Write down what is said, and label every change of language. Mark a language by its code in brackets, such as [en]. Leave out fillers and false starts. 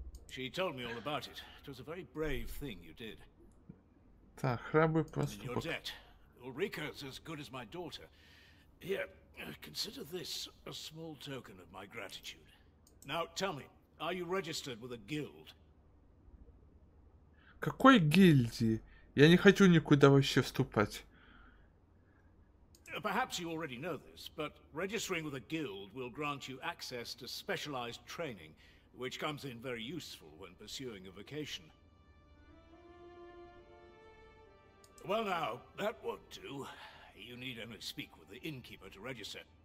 [en] She told me all about it. It was a very brave thing you did. [ru] Так, храбрый поступок. [en] And in your debt, Ulrika's as good as my daughter. Here, consider this a small token of my gratitude. Now, tell me, are you registered with a guild? [ru] Какой гильдии? Я не хочу никуда вообще вступать. [en] Perhaps you already know this, but registering with a guild will grant you access to specialized training. Which comes in very useful when pursuing a vocation. Well now, that won't do. You need only speak with the innkeeper to register.